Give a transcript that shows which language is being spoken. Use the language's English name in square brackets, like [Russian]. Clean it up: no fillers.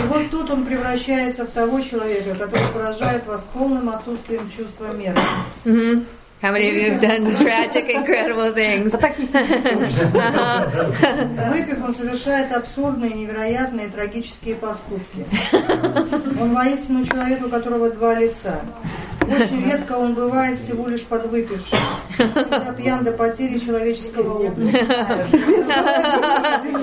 [Russian] был? И вот тут он превращается в того человека, который поражает вас полным отсутствием чувства меры. Mm-hmm. [English] How many of you have done tragic, incredible things? [Russian] Выпив, он совершает абсурдные, невероятные, трагические поступки. Он воистину человек, у которого два лица. Очень редко он бывает всего лишь подвыпивший. Он всегда пьян до потери человеческого опыта.